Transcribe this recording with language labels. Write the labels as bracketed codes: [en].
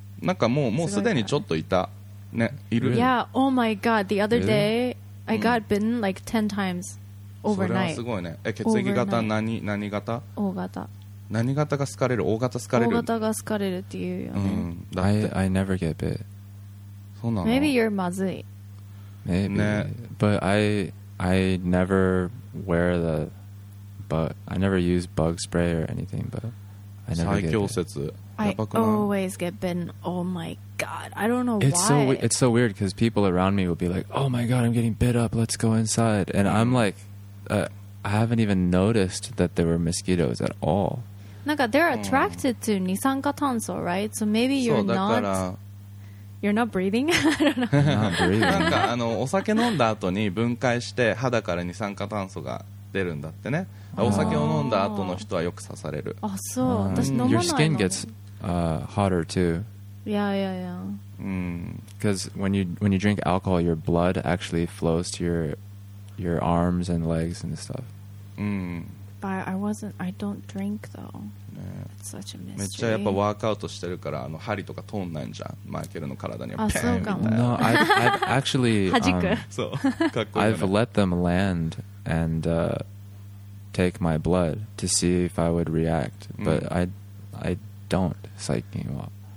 [ja] なんかもうすでにちょっといた。ね、いる。 [en] Yeah, oh my god, the other day I got bitten like 10 times. Overnight. [ja] それはすごいね。え、血液型、 [en] Overnight. [ja] 何型？ O 型。何型が好かれる？O 型好かれる。 O 型が好かれるっていうよね。うん、だって [en] I never get bit. [ja] そうなの。 [en] Maybe you're [ja] まずい。 [en] Maybe.、ね、But I never wear the but I never use bug spray or anything. But I never [ja] 最強説。 [en] I always get bitten. Oh my god! I don't know why. It's so weird because people around me will be like, "Oh my god, I'm getting bit up. Let's go inside." And I'm like, "I haven't even noticed that there were mosquitoes at all." なんか they're attracted to [ja] 二酸化炭素, [en] right? So maybe you're not breathing. I don't know. [ja] なんかお酒飲んだ後に分解して肌から二酸化炭素が出るんだってね。お酒を飲んだ後の人はよく刺される。あ、そう、私飲まないの。 [en] Your skin gets hotter too. Yeah, yeah, yeah. Because when you drink alcohol, your blood actually flows to your arms and legs and stuff. But I don't drink though. It's such a mystery. [ja] めっちゃやっぱワークアウトしてるから、針とか通んないんじゃん、マイケルの体には。あ、そうかも。 [en] No, I've actually [ja] 弾く。そう、かっこいいよね。 [en] I've let them land andtake my blood to see if I would react, but I don't [ja] 最近は。